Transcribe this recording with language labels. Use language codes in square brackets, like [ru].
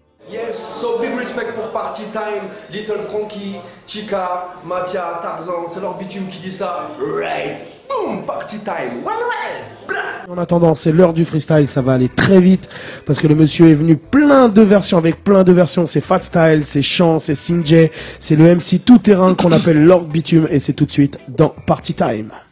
[en] Yes, so big respect [fr] pour Party Time, Little Frankie, Chica, Mathia, Tarzan, c'est leur bitume qui dit ça. [en] Right, boom, Party Time, one way. [fr] En attendant, c'est l'heure du freestyle, ça va aller très vite parce que le monsieur est venu plein de versions avec plein de versions. C'est Fat Style, c'est Sean, c'est Sinjay, c'est le MC tout terrain qu'on appelle Lord Bitume et c'est tout de suite dans Party Time.